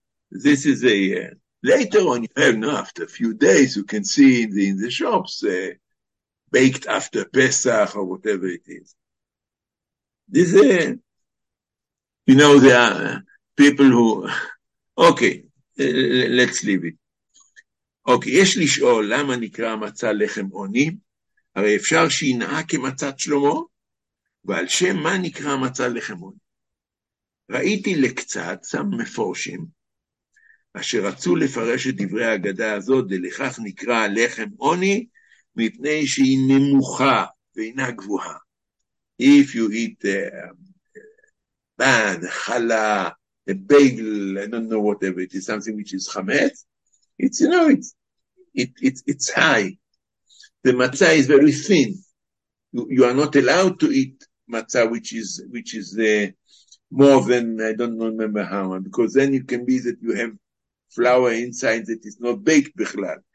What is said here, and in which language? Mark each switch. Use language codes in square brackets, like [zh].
[en] This is a later on, you have, no, after a few days, you can see in the shops baked after Pesach or whatever it is. This is, you know, there are people who, okay, let's leave it. [he] אוקיי, יש לשאול למה נקרא מצה לחם עוני, הרי אפשר שינאה כמצת שלמה, ועל שם מה נקרא מצה לחם עוני. ראיתי לקצת סם מפורשים, אשר רצו לפרש את דברי ההגדה הזאת, ולכך נקרא לחם עוני, מפני שהיא נמוכה ואינה גבוהה. [en] If you eat bad, חלה, a bagel, I don't know whatever, it is something which is חמץ, it's, you know, it's high. The matzah is very thin. You are not allowed to eat matzah which is more than, I don't remember how much, because then it can be that you have flour inside that is not baked bichlal.